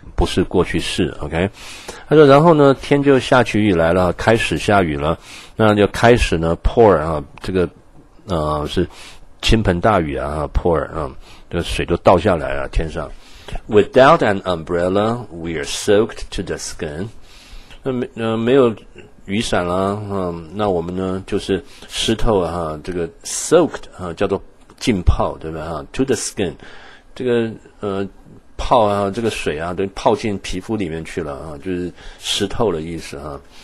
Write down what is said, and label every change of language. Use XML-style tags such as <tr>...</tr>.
<zh>不是过去式 ,OK? 他说然后呢天就下起雨来了，开始下雨了，那就开始呢 pour, 啊，这个是倾盆大雨啊 ,pour, 啊，这个水都倒下来了天上。</zh> <en>Without an umbrella, we are soaked to the skin.</en> <zh>没有雨伞啦，那我们呢就是湿透啊，这个 soaked, 啊，叫做浸泡对吧，啊，to the skin, 这个泡啊，这个水啊，都泡进皮肤里面去了啊，就是湿透的意思啊。</zh>